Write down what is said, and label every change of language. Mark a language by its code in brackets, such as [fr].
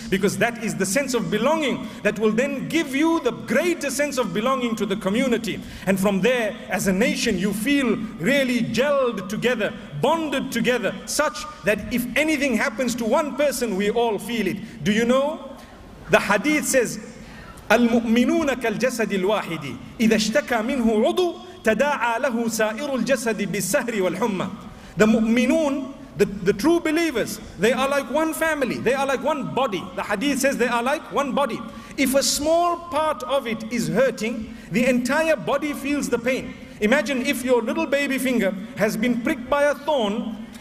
[en] Because that is the sense of belonging that will then give you the greater sense of belonging to the community. And from there, as a nation, you feel really gelled together, bonded together, such that if anything happens to one person, we all feel it. Do you know? The hadith says, [ar] المؤمنون كالجسد الواحد إذا اشتكى منه عضو تداعى له سائر الجسد بالسهر والحمى. [en] The mu'minun, the true believers, they are like one family. They are like one body. The hadith says they are like one body. If a small part of it is hurting, the entire body feels the pain. Imagine if your little baby finger has been pricked by a thorn.